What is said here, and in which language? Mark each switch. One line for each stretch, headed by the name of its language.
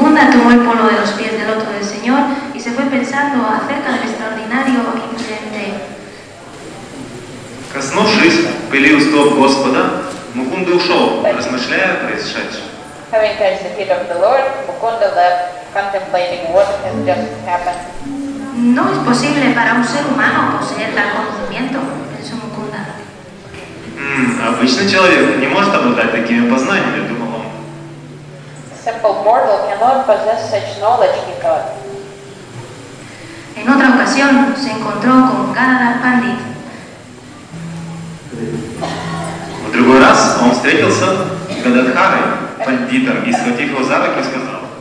Spanish: tomó el polo de los pies del otro del Señor y se fue pensando acerca del extraordinario incidente.
Russian: Коснувшись пыли у стоп Господа, Мукунда ушел, размышляя о происшедшем.
English: Having touched the feet of the Lord, Mukunda left, contemplating what has just happened.
Spanish: No es posible para un ser humano poseer tal conocimiento, pensó Mukunda.
Russian: Обычный человек не может обладать такими познаниями, думал он.
English: A simple mortal cannot possess such knowledge, he thought.
Spanish: En otra ocasión se encontró con Gadadhar Pandit.
Russian: В другой раз он встретился с Гададхарой, пандитом, и схватив его за руки, сказал: